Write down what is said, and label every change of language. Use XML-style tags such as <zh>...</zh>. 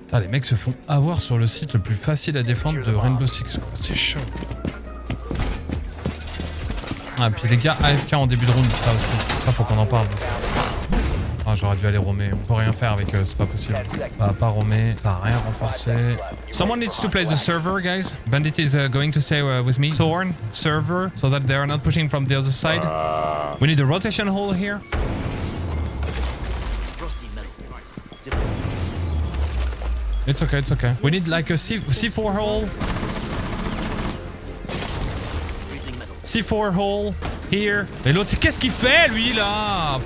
<fr>Putain, les mecs se font avoir sur le site le plus facile à défendre de Rainbow Six, quoi. C'est chaud. Ah, puis les gars AFK en début de round, ça aussi. Ça, faut qu'on en parle. Ah, j'aurais dû aller roamer. On peut rien faire avec eux, c'est pas possible. Ça va pas roamer, ça va rien renforcer.</fr> <en>Someone needs to play the server, guys. Bandit is going to stay with me. Thorn, server, so that they are not pushing from the other side. We need a rotation hole here. It's okay, it's okay. We need like a C4 hole. C4 hole here.</en> <fr>Et l'autre, qu'est-ce qu'il fait lui là?</fr>